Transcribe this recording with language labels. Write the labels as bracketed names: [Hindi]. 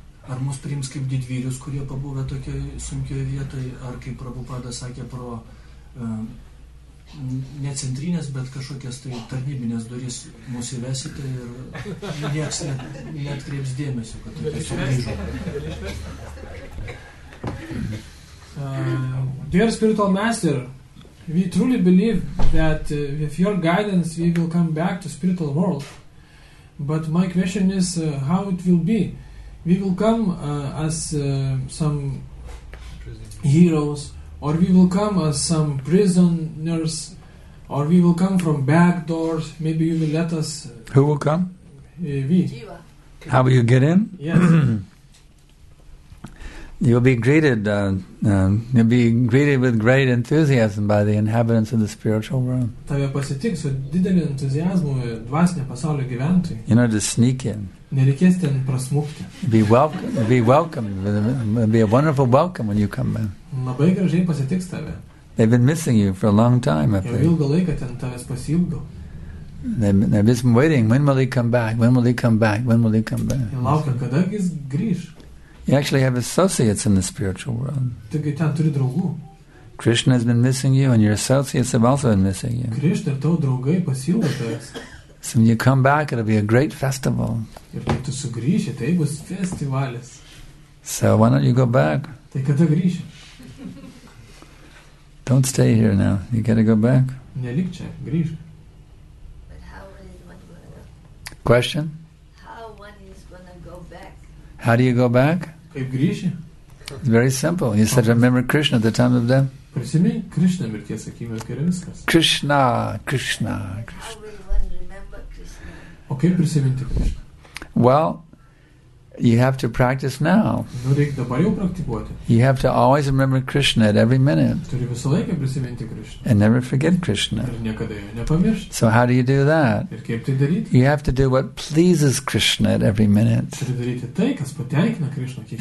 [Lithuanian] ar mus priims kaip didvyrius, kurie pabuvę tokioje sunkioje vietoje, ar kaip Prabhupada sakė pro ne centrinės, bet kažkokias tai tarnybinės durys mus įvesite ir nieks neatkreips dėmesio, kad tai tiesiog grįžo. [English] Dear spiritual master, we truly believe that with your guidance we will come back to spiritual world, but my question is how it will be. We will come as some heroes, or we will come as some prisoners, or we will come from back doors. Maybe you will let us. Who will come? We. How will you get in? Yes. You'll be greeted. You'll be greeted with great enthusiasm by the inhabitants of the spiritual world. [Lithuanian] Tave pasitiks su dideliu entuziazmu dvasinio pasaulio gyventojai. [English] You know, to sneak in. [Lithuanian] Nereikės ten prasmukti. [English] Be welcome. It'll be a wonderful welcome when you come in. [Lithuanian] Labai gražiai pasitiks tave. [English] They've been missing you for a long time, I think. [Lithuanian] Jau ilgą laiką ten tavęs pasilgo. [English] They've just been waiting. When will he come back? [Lithuanian] Jau laukia, kada jis grįš. [English] You actually have associates in the spiritual world. [Lithuanian] Taigi ten turi draugų. [English] Krishna has been missing you and your associates have also been missing you. [Lithuanian] Krishna ir tavo draugai pasilgo tavęs. [English] So when you come back, it'll be a great festival. [Lithuanian] Ir kai tu sugrįši, tai bus festivalis. [English] So why don't you go back? [Lithuanian] Tai kada grįši? [English] Don't stay here now. You gotta go back. [Lithuanian] Nelik čia, grįžk. [English] But how is one gonna go? Question? How one is gonna go back? How do you go back? [Lithuanian] Kaip grįši? [English] It's very simple. You said remember Krishna at the time of death. [Lithuanian] Prisimink Krishna mirties akimirką ir viskas. Krishna. O kaip prisiminti Krishna? [English] Well, you have to practice now. [Lithuanian] Nu, reikia dabar jau praktikuoti. [English] You have to always remember Krishna at every minute. [Lithuanian] Turi visą laiką prisiminti Krishna. [English] And never forget Krishna. [Lithuanian] Ir niekada jo nepamiršti. [English] So how do you do that? [Lithuanian] Ir kaip tai daryti? [English] You have to do what pleases Krishna at every minute. [Lithuanian] Turi daryti tai, kas patenkina Krishna kiekvieną.